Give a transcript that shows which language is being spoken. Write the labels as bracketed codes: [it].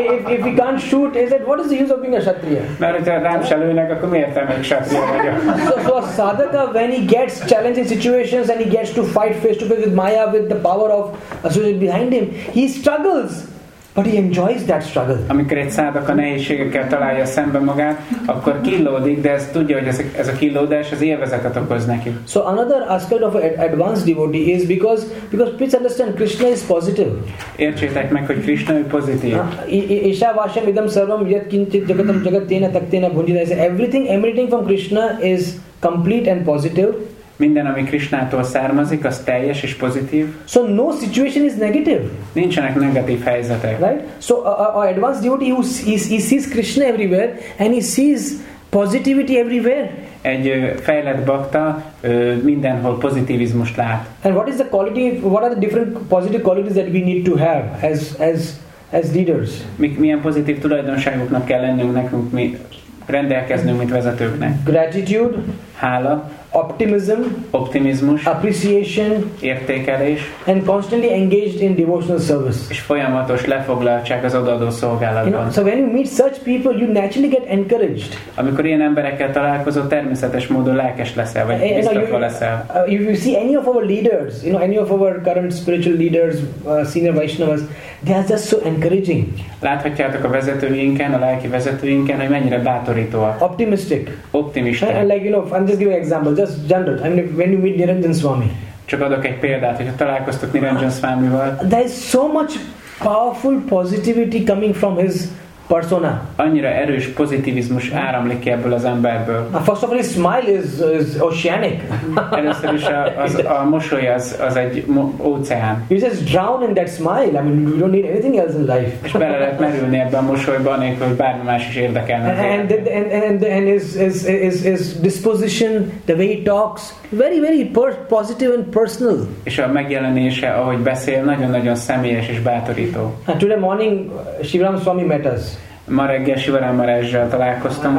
[en] If he can't shoot, he said, what is the use of being a kshatriya? [hu] Mert hogyha rám se lőnek, akkor miért nem egy kshatriya vagyok? [en] So a sadhaka, when he gets challenged in situations and he gets to fight face to face with Maya, with the power of associated behind him, he struggles. But he enjoys that struggle. [hu] Amikor egy szádak a nehézségekkel találja szembe magát, akkor kilódik, de ez tudja, hogy ez a kilódás az élvezetet okoz neki. [en] So another aspect of advanced devotee is because please understand, Krishna is positive. [hu] Értsétek meg, hogy Krishna pozitív. [sa] Isha vasyam idam sarvam yat kinchit jagatam jagat tena taktena bhunjita. [en] Everything emanating from Krishna is complete and positive. [hu] Minden, ami Krishnától származik, az teljes és pozitív. [en] So no situation is negative. [hu] Nincsenek negatív helyzetek. [en] Right? So a advanced devotee who sees Krishna everywhere and he sees positivity everywhere. [hu] Egy fejlett bakta mindenhol pozitivizmust lát. [en] And what is the quality? What are the different positive qualities that we need to have as leaders? [hu] Milyen pozitív tulajdonságoknak kell lennünk nekünk, mi rendelkeznünk, mint vezetőknek? [en] Gratitude. [hu] Hála. [en] Optimism. [hu] Optimizmus. [en] Appreciation. [hu] Értékelés. [en] And constantly engaged in devotional service. [hu] És folyamatos lefoglaltság az odaadó szolgálatban. [en] You know, so when you meet such people, you naturally get encouraged. [hu] Amikor ilyen emberekkel találkozol, természetes módon lelkes leszel, vagy biztosra leszel. [en] If you see any of our leaders, you know, any of our current spiritual leaders, senior Vaishnavas, they are just so encouraging. [hu] Láthatjátok a vezetőinken, a lelki vezetőinken, hogy mennyire bátorítóak. [en] Optimistic. [hu] Optimista. [en] Like, you know, I'm just giving example. Just general. I mean, when you meet Niranjan Swami. [hu] Csak adok egy példát, hogyha találkoztok Niranjan Swamival. [en] There is so much powerful positivity coming from his persona. [hu] Annyira erős pozitivizmus áramlik ki ebből az emberből. [en] First of all, his smile is oceanic. [hu] Először is a mosoly az egy óceán. [en] You just drown in that smile. I mean, you don't need anything else in life. [hu] És bele lehet merülni ebben a mosolyban, nélkül, hogy bármi más is érdekelne. [en] And his disposition, the way he talks, very very positive and personal. [hu] És a megjelenése, ahogy beszél, nagyon-nagyon személyes és bátorító. [en] And today morning, Shivram Swami met us. [hu] Ma reggel Shivram Maharajjal találkoztam.